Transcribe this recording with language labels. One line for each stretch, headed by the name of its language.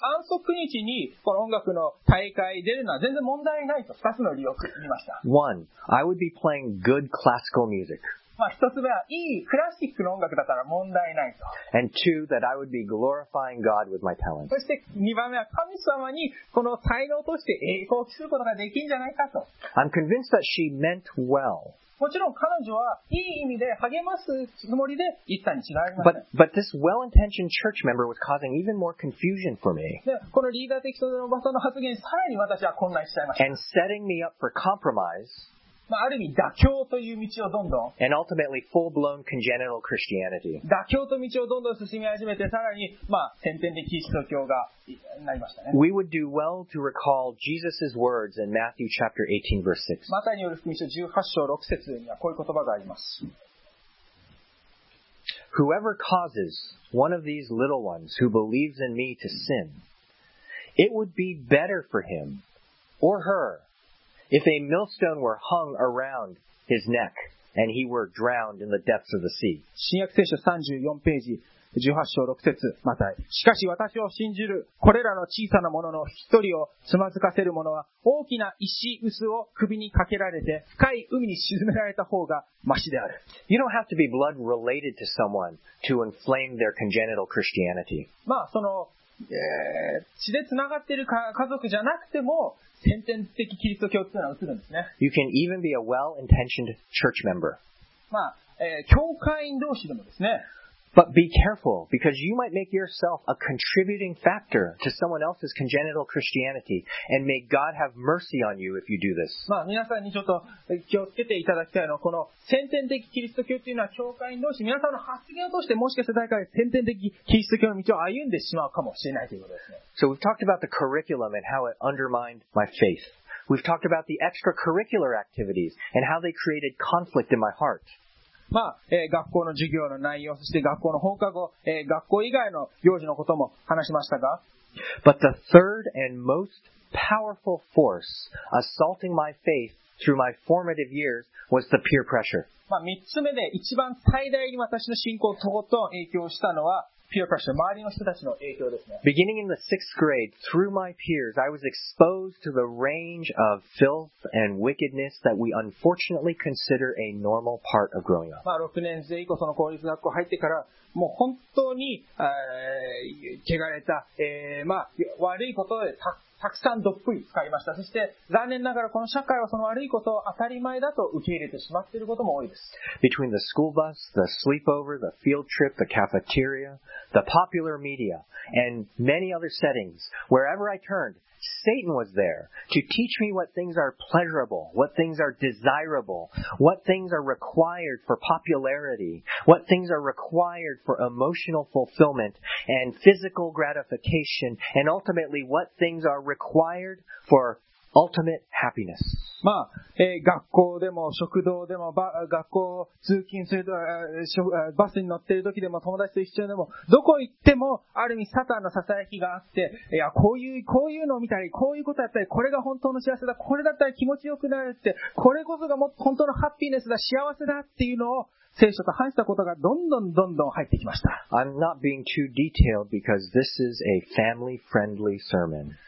Japanese: 安息日にこの音楽の大会出るのは全然問題ないと二つの理由を言いました。
English: One, I would be playing good classical music.
Japanese: まあ一つ目はいいクラシックの音楽だから問題ないと。
English: And two, that I would be glorifying God with my talent.
Japanese: そして二番目は神様にこの才能として栄光を期することができるんじゃないかと。
English: I'm convinced that she meant well.
Japanese: もちろん彼女はいい意味で励ますつもりで言ったに違いありません。
English: But this well-intentioned church member was causing even more confusion for me.
Japanese: このリーダー的人のおばさんの発言、さらに私は混乱しちゃいました。
English: And setting me up for compromise.
Japanese: まあ、ある意味、妥協という道をどんどん。
English: And ultimately, full-blown congenital Christianity.
Japanese: 妥協という道をどんどん進み始めて、さらに、まあ、先天的キリスト教がなりましたね。
English: We would do well to recall Jesus' words in Matthew chapter 18, verse 6.
Japanese: マタイによる福音書18章6節にはこういう言葉があります。
English: Whoever causes one of these little ones who believes in me to sin, it would be better for him or her. If a millstone were hung around his neck and he were drowned in the depths of the sea.
Japanese: 新約聖書34ページ18章6節マタイ。しかし私を信じるこれらの小さな者の一人をつまずかせる者は大きな石臼を首にかけられて深い海に沈められた方がマシである。
English: You don't have to be blood related to someone to inflame their congenital Christianity.
Japanese: まあその血でつながっている家族じゃなくても先天的キリスト教というのは映るんですね。
English: You can even be a well-intentioned church member.
Japanese: まあ、教会員同士でもですね。
English: But be careful, because you might make yourself a contributing factor to someone else's congenital Christianity, and may God have mercy on you if you do this.
Japanese: まあ、皆さんにちょっと気をつけていただきたいのは、この先天的キリスト教というのは教会員同士、皆さんの発言を通してもしかして誰かが先天的キリスト教の道を歩んでしまうかもしれないということですね。
English: So we've talked about the curriculum and how it undermined my faith. We've talked about the extracurricular activities and how they created conflict in my heart.
Japanese: まあ、学校の授業の内容、そして学校の放課後、学校以外の行事のことも話しましたが。
English: But the third and most powerful force assaulting my faith through my formative years was the peer pressure.
Japanese: まあ、三つ目で一番最大に私の信仰をとことん影響したのは、peer pressure、周りの人たちの影響ですね。
English: Beginning in the sixth grade, through my peers, I was exposed to the range of filth and wickedness that we unfortunately consider a normal part of growing up.
Japanese: まあ、6年生以降、その公立学校入ってから、もう本当に、汚れた、まあ、悪いことで たくさんどっぷり使いました。そして、残念ながらこの社会はその悪いことを当たり前だと受け入れてしまっていることも多いです。
English: Between the school bus, the sleepover, the field trip, the cafeteria, the popular media, and many other settings, wherever I turned, Satan was there to teach me what things are pleasurable, what things are desirable, what things are required for popularity, what things are required for emotional fulfillment and physical gratification, and ultimately what things are required for ultimate happiness.
Japanese: まあ、学校でも、食堂でも、学校通勤するとバスに乗ってる時でも、友達と一緒でも、どこ行っても、ある意味、サタンの囁きがあって、いや、こういうのを見たり、こういうことやったり、これが本当の幸せだ、これだったら気持ちよくなるって、これこそがも本当のハッピネスだ、幸せだっていうのを、聖書と反したことがどんどんどんどん入ってきました。
English: I'm not being too detailed because this is a family-friendly sermon.